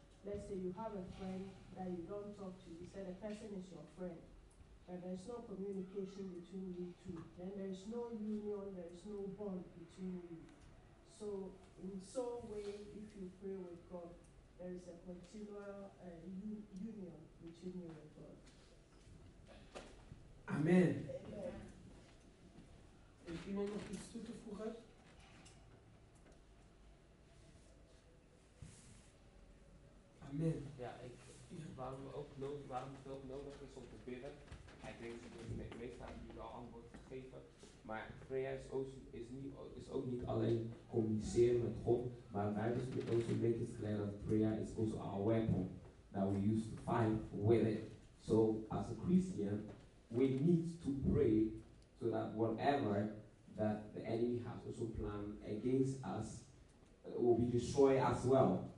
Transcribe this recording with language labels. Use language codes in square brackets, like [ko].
[en] Let's say you have a friend that you don't talk to. You said a person is your friend, but there is no communication between you two. Then there is no union, there is no bond between you. So in some way, if you pray with God, there is a continual union between you and God. Amen. Amen. [nl] Is iemand nog iets toe te voegen? Ja, ik, waarom het ook nodig is om te bidden. Ik denk dat het meestal aan jullie al antwoord gegeven. Maar prayer is ook niet alleen communiceren met God. [en] Maar Bijbel is also make it clear that prayer is also our weapon that we use to fight with it. So as a Christian, we need to pray so that whatever that the enemy has also planned against us will be destroyed as well.